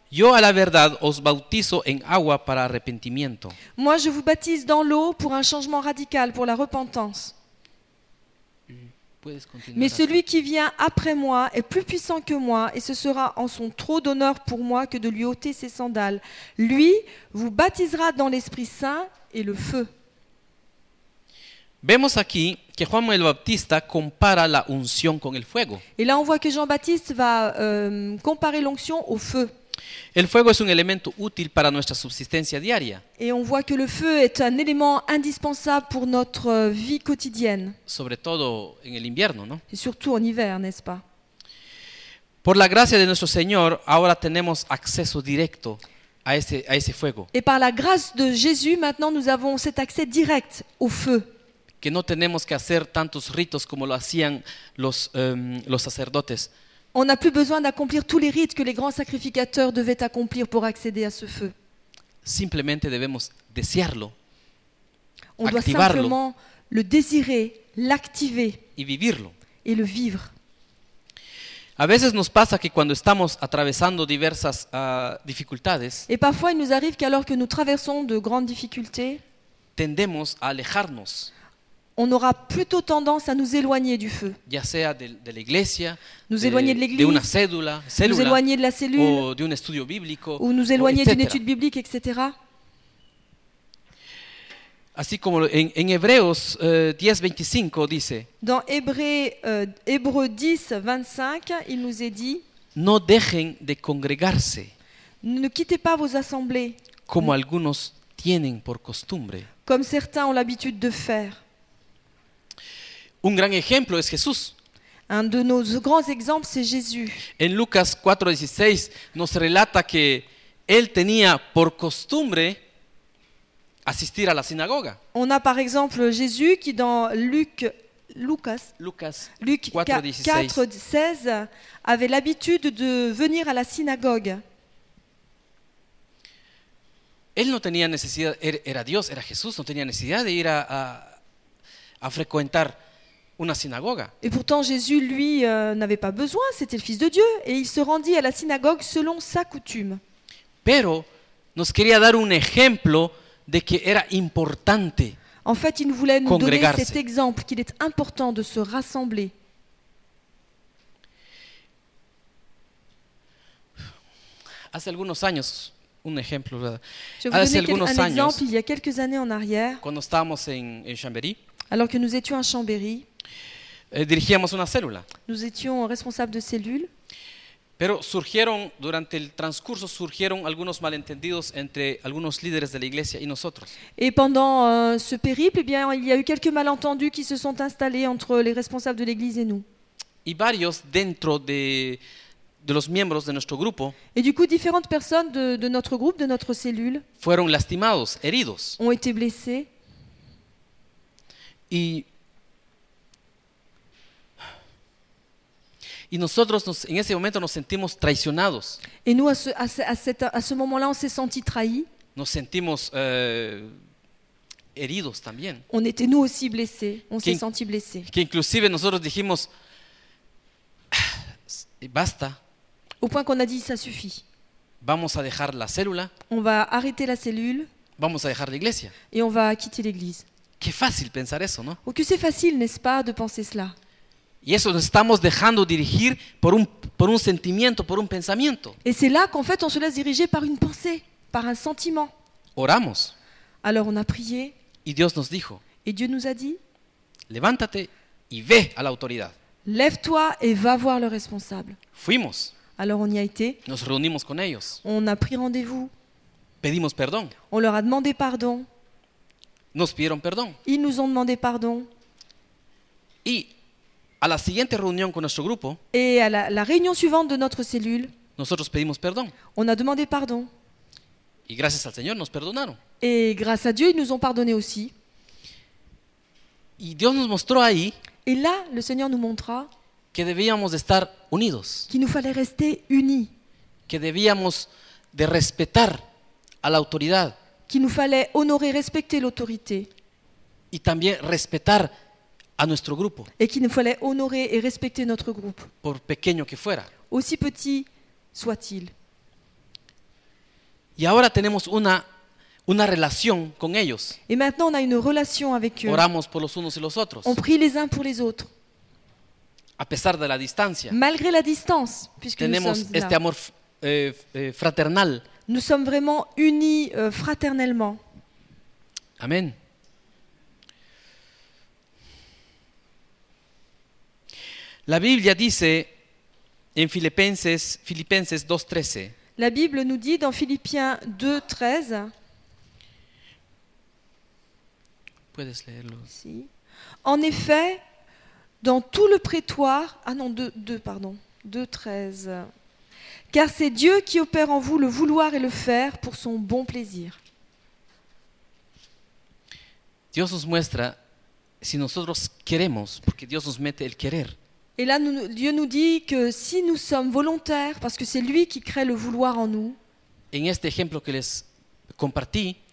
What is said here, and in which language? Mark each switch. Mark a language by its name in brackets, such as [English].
[Spanish] Yo a la verdad os bautizo en agua para arrepentimiento. [French] Moi je vous baptise dans l'eau pour un changement radical, pour la repentance. [Spanish] Puedes continuar. [French] Mais celui qui vient après moi est plus puissant que moi et ce sera en son trop d'honneur pour moi que de lui ôter ses sandales. Lui vous baptisera dans l'Esprit Saint et le feu. [Spanish] Vemos aquí que Juan el Bautista compara la unción con el fuego. [French] Et là on voit que Jean-Baptiste va comparer l'onction au feu. [Spanish] El fuego es un elemento útil para nuestra subsistencia diaria. [French] Et on voit que le feu est un élément indispensable pour notre vie quotidienne. [Spanish] Sobre todo en el invierno, ¿no? [French] Et surtout en hiver, n'est-ce pas? [Spanish] Por la gracia de nuestro Señor, ahora tenemos acceso directo a ese fuego. [French] Et par la grâce de Jésus, maintenant nous avons cet accès direct au feu. [Spanish] Que no tenemos que hacer tantos ritos como lo hacían los sacerdotes. [French] On n'a plus besoin d'accomplir tous les rites que les grands sacrificateurs devaient accomplir pour accéder à ce feu. [Spanish] Simplemente debemos desearlo. [French] On doit simplement le désirer, l'activer. [Spanish] Y vivirlo. [French] Et le vivre. [Spanish] A veces nos pasa que cuando estamos atravesando diversas dificultades. [French] Et parfois il nous arrive qu'alors que nous traversons de grandes difficultés, [Spanish] tendemos a alejarnos. [French] on aura plutôt tendance à nous éloigner du feu. [Spanish] Ya sea de la iglesia, [French] nous éloigner de l'église, [Spanish] de una cédula, [French] nous éloigner de la cellule, [Spanish] o de un estudio bíblico, [French] ou nous éloigner d'une étude biblique, etc. [Spanish] Así como en Hebreos 10:25 dice. [French] Dans Hébreux 10:25, il nous est dit. [Spanish] No dejen de congregarse. [French] Ne quittez pas vos assemblées. [Spanish] Como algunos tienen por costumbre. [French] Comme certains ont l'habitude de faire. [Spanish] Un gran ejemplo es Jesús. [French] Un de nos grands exemples c'est Jésus. [Spanish] En Lucas 4:16 nos relata que él tenía por costumbre [French] assister à la synagogue. On a par exemple Jésus qui dans Luc 4:16 avait l'habitude de venir à la synagogue. [Spanish] Él no tenía necesidad, era Dios, era Jesús, no tenía necesidad de ir a frecuentar una sinagoga. [French] Et pourtant Jésus lui n'avait pas besoin, c'était le fils de Dieu et il se rendit à la synagogue selon sa coutume. [Spanish] Pero nos quería dar un ejemplo de que era importante. [French] En fait, il voulait nous donner cet exemple qu'il est important de se rassembler. [Spanish] Hace algunos años, un ejemplo. Hace algunos años, [French] il y a quelques années en arrière. [Spanish] Cuando estábamos en Chambéry. [French] Alors que nous étions à Chambéry. [Spanish] Dirigíamos una célula. [French] Nous étions responsables de cellule. [Spanish] Pero surgieron durante el transcurso surgieron algunos malentendidos entre algunos líderes de la iglesia y nosotros. [French] Et pendant ce périple, eh bien, il y a eu quelques malentendus qui se sont installés entre les responsables de l'église et nous. [Spanish] Y varios dentro de los miembros de nuestro grupo. [French] Et du coup, différentes personnes de notre groupe, de notre cellule. [Spanish] Fueron lastimados, heridos. [French] Ont été blessés. [Spanish] Y nosotros en ese momento nos sentimos traicionados. [French] Et nous à ce moment-là on s'est senti trahis. [Spanish] Nos sentimos heridos también. [French] On était nous aussi blessés. On s'est senti blessés. [Spanish] Que inclusive nosotros dijimos basta. [French] Au point qu'on a dit ça suffit. [Spanish] Vamos a dejar la célula. [French] On va arrêter la cellule. [Spanish] Vamos a dejar la iglesia. [French] Et on va quitter l'église. [Spanish] Qué fácil pensar eso, ¿no? [French] Ou que c'est facile, n'est-ce pas, de penser cela. [Spanish] Y eso nos estamos dejando dirigir por un sentimiento, por un pensamiento. [French] Et c'est là qu'en fait on se laisse diriger par une pensée, par un sentiment. [Spanish] Oramos. [French] Alors on a prié. [Spanish] Y Dios nos dijo. [French] Et Dieu nous a dit. [Spanish] Levántate y ve a la autoridad. [French] Lève-toi et va voir le responsable. [Spanish] Fuimos. [French] Alors on y a été. [Spanish] Nos reunimos con ellos. [French] On a pris rendez-vous. [Spanish] Pedimos perdón. [French] On leur a demandé pardon. [Spanish] Nos pidieron perdón. [French] Ils nous ont demandé pardon. [Spanish] Y a la siguiente reunión con nuestro grupo. [French] Et à la réunion suivante de notre cellule. [Spanish] Nosotros pedimos perdón. [French] On a demandé pardon. [Spanish] Y gracias al Señor nos perdonaron. [French] Et grâce à Dieu ils nous ont pardonné aussi. [Spanish] Y Dios nos mostró ahí. [French] Et là le Seigneur nous montra. [Spanish] Que debíamos estar unidos. [French] Qu'il nous fallait rester unis. [Spanish] Que debíamos de respetar a la autoridad. [French] Qu'il nous fallait honorer, respecter l'autorité. [Spanish] Y también respetar a nuestro grupo. [French] Et qu'il nous fallait honorer et respecter notre groupe. [Spanish] Por pequeño que fuera. [French] Aussi petit soit-il. [Spanish] Y ahora tenemos una relación con ellos. [French] Et maintenant on a une relation avec eux. [Spanish] Oramos por los unos y los otros. [French] On prie les uns pour les autres. [Spanish] A pesar de la distancia. [French] Malgré la distance, puisque [Spanish] tenemos [French] nous sommes este là. [Spanish] Amor fraternal. [French] Nous sommes vraiment unis fraternellement. Amen. [Spanish] La Biblia dice en Filipenses 2:13. [French] La Bible nous dit dans Philippiens 2:13. [Spanish] Puedes leerlo. Si. [French] En effet, dans tout le prétoire, 2:13. Car c'est Dieu qui opère en vous le vouloir et le faire pour son bon plaisir. [Spanish] Dios nos muestra si nosotros queremos, porque Dios nos mete el querer. [French] Et là, Dieu nous dit que si nous sommes volontaires, parce que c'est lui qui crée le vouloir en nous, [Spanish] en este ejemplo que les compartí,